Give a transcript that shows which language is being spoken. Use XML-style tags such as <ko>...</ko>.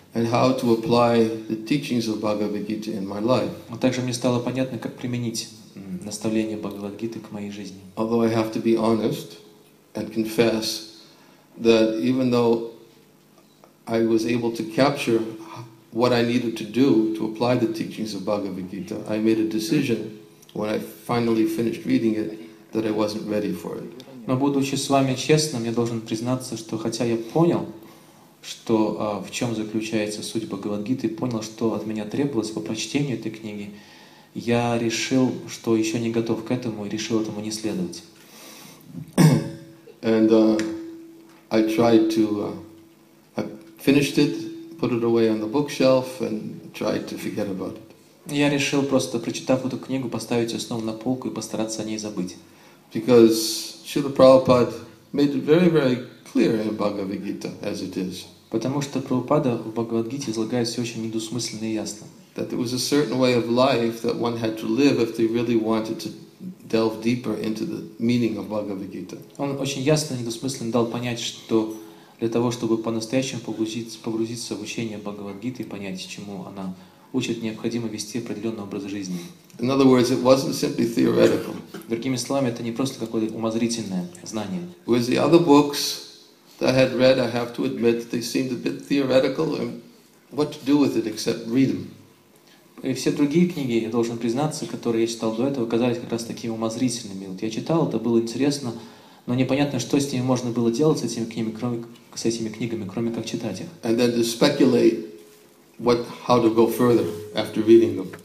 <en>And how to apply the teachings of Bhagavad Gita in my life.</en> <ru>Также мне стало понятно, как применить наставления Бхагавад-гиты к моей жизни.</ru> <en>Although I have to be honest and confess that even though I was able to capture what I needed to do to apply the teachings of Bhagavad Gita, I made a decision when I finally finished reading it that I wasn't ready for it.</en> <ru>Но будучи с вами честным, я должен признаться, что хотя я понял, что в чем заключается суть Бхагавад-гиты, понял, что от меня требовалось по прочтению этой книги, я решил, что еще не готов к этому и решил этому не следовать.</ru> <en>And I tried to finished it, put it away on the bookshelf, and tried to forget about it.</en> <ru>Я решил просто, прочитав эту книгу, поставить ее снова на полку и постараться о ней забыть.</ru> <en>Because Srila Prabhupada made it very, very clear in Bhagavad Gita as it is.</en> <ru>Потому что Прабхупада в Бхагавад-гите излагает все очень недвусмысленно и ясно.</ru> <en>That there was a certain way of life that one had to live if they really wanted to delve deeper into the meaning of Bhagavad Gita.</en> <ru>Он очень ясно и недвусмысленно дал понять, что для того, чтобы по-настоящему погрузиться в учение Бхагавад-гиты и понять, чему она учит, необходимо вести определенный образ жизни.</ru> <en>In other words, it wasn't simply theoretical.</en> <ru>Другими словами, это не просто какое-то умозрительное знание.</ru> <en>With the other books that I had read, I have to admit that they seemed a bit theoretical, and what to do with it except read them.</en> <ru>И все другие книги, я должен признаться, которые я читал до этого, казались как раз такими умозрительными. Вот я читал, это было интересно, но непонятно, что с ними можно было делать, с этими книгами, кроме как читать их.</ru> <en>And then to speculate what, how to go further after reading them.</en>